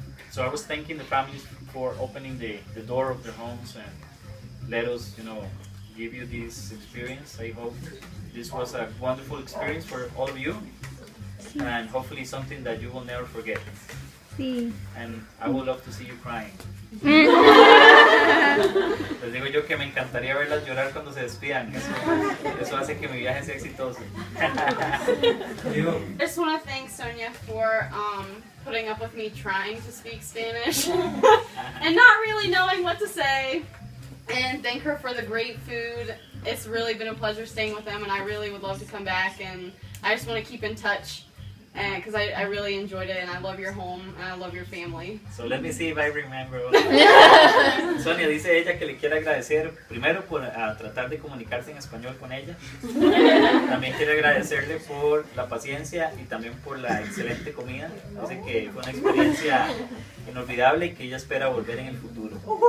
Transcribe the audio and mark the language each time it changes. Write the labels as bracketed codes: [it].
[en] So I was thanking the families for opening the door of their homes and let us, you know, give you this experience. I hope this was a wonderful experience for all of you, and hopefully something that you will never forget. And I would love to see you crying. [es] Les digo yo que me encantaría verlas llorar cuando se despidan. Eso hace que mi viaje sea exitoso. [en] I just want to thank Sonia for putting up with me trying to speak Spanish and not really knowing what to say. And thank her for the great food. It's really been a pleasure staying with them, and I really would love to come back. And I just want to keep in touch. Because I really enjoyed it, and I love your home, and I love your family. So let me see if I remember. [es] Sonia dice ella que le quiere agradecer primero por tratar de comunicarse en español con ella. También quiere agradecerle por la paciencia y también por la excelente comida. Dice que fue una experiencia inolvidable y que ella espera volver en el futuro.